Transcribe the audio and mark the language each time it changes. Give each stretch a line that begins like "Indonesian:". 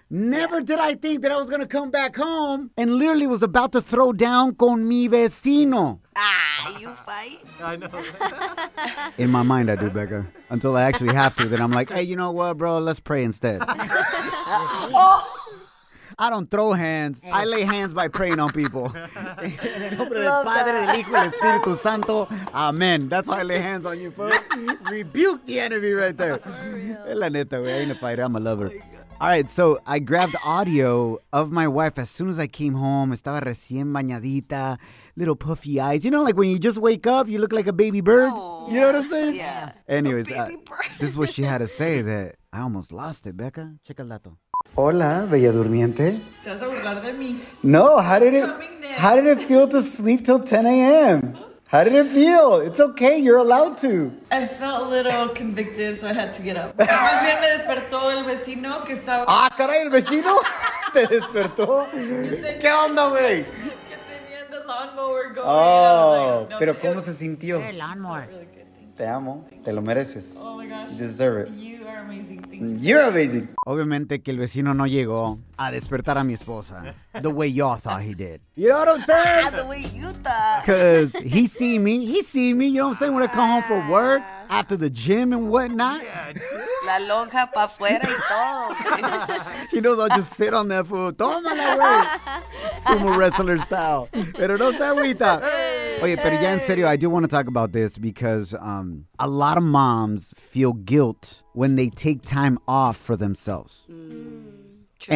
English: Never did I think that I was going to come back home and literally was about to throw down
Spanish: con mi vecino.
English: You fight? I know. In my mind, I do, Becca. Until I actually have to. Then I'm like, hey, you know what, bro? Let's pray instead. I don't throw hands. I lay hands by praying on people.
Spanish: En el nombre del Padre, del Hijo y del Espíritu Santo. Amen.
English: That's why I lay hands on you, folks. Rebuke the enemy right there.
Spanish: La neta,
English: we ain't a fighter. I'm a lover. All right, so I grabbed audio of my wife as soon as I came home.
Spanish: Estaba recién bañadita,
English: little puffy eyes. You know, like when you just wake up, you look like a baby bird. Oh, you know what I'm saying? Yeah. Anyways, this is what she had to say that I almost lost it, Becca. Check
Spanish: el dato. Hola, bella durmiente. ¿Te vas a burlar de mí?
English: No, how did it feel to sleep till 10 a.m.? How did it feel? It's okay, you're allowed to. I felt a little convicted, so I had to get up.
Spanish: Más bien me despertó el vecino que estaba... Ah, caray, el vecino te despertó. ¿Qué onda, güey? Que tenía
English: the lawnmower going. Oh, like, no,
Spanish: pero ¿cómo se sintió? El lawnmower. Te amo, te lo mereces.
English: Oh my gosh. You deserve it. You are amazing. Thank you. You're amazing.
Spanish: Obviamente que el vecino no llegó a despertar a mi esposa
English: the way y'all thought he did. You know what I'm saying? The way you thought. Because he see me, you know what I'm saying? When I come home from work, after the gym and whatnot.
Spanish: La lonja pa afuera y todo.
English: He knows I'll just sit on that food.
Spanish: Toma la wey.
English: Sumo wrestler style.
Spanish: Pero no se agüita. Oye, pero ya en serio,
English: I do want to talk about this because a lot of moms feel guilt when they take time off for themselves. True.